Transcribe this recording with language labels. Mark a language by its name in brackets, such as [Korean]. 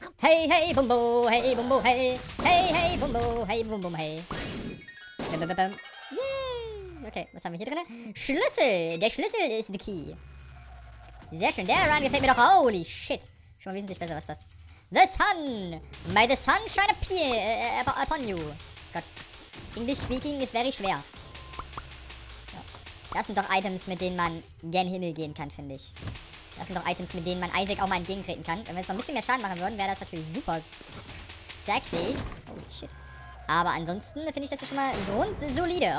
[German] Hey, hey, Bumbo, hey, Bumbo, hey. Hey, hey, Bumbo, hey, Bumbo, hey. Bum, bum, bum, bum. Yay. Okay, was haben wir hier drin? Schlüssel. Der Schlüssel ist [English] the key. [German] Sehr schön. Der Run gefällt mir doch. Holy shit. Schon mal wesentlich besser, was das. [English] The sun! May the sun shine upon you! [German] Gott. English speaking ist very schwer. So. Das sind doch Items, mit denen man gern Himmel gehen kann, finde ich. Das sind doch Items, mit denen man Isaac auch mal entgegentreten kann. Wenn wir jetzt noch ein bisschen mehr Schaden machen würden, wäre das natürlich super sexy. Holy shit. Aber ansonsten finde ich das jetzt schon mal grundsolide.